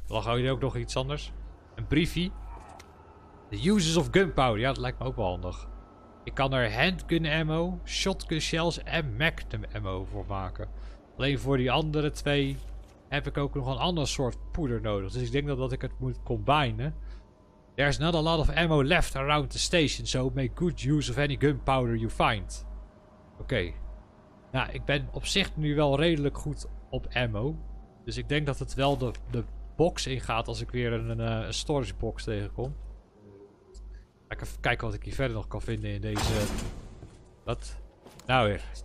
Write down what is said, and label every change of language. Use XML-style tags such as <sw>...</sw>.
<nl>Lag jullie ook nog iets anders? Een briefie.</nl> <en>The uses of gunpowder.</en> <nl>Ja, dat lijkt me ook wel handig. Ik kan er handgun ammo, shotgun shells en magnum ammo voor maken. Alleen voor die andere twee heb ik ook nog een ander soort poeder nodig. Dus ik denk dat ik het moet combinen.</nl> <en>There's not a lot of ammo left around the station, so make good use of any gunpowder you find.</en> <nl>Oké. Okay. Nou, ik ben op zich nu wel redelijk goed op ammo. Dus ik denk dat het wel de box ingaat als ik weer een storage box tegenkom. Even kijken wat ik hier verder nog kan vinden in deze... Wat? Nou weer.</nl>